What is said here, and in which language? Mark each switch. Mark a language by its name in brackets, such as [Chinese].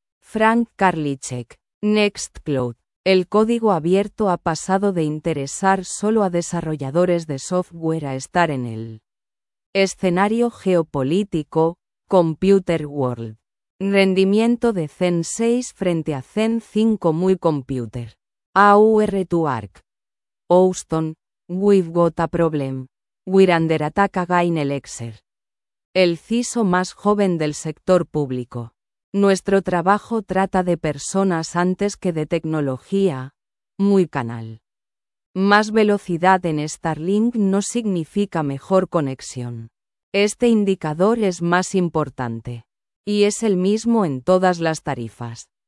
[Spanish] Frank Karliczek. Nextcloud. El código abierto ha pasado de interesar solo a desarrolladores de software a estar en el escenario geopolítico. Computer World. Rendimiento de Zen 6 frente a Zen 5 muy computer. [English] AR2ARC. Houston. We've got a problem. We're under attack again, Elixir. [Spanish] El CISO más joven del sector público. Nuestro trabajo trata de personas antes que de tecnología. Muy canal. Más velocidad en Starlink no significa mejor conexión. Este indicador es más importante. Y es el mismo en todas las tarifas.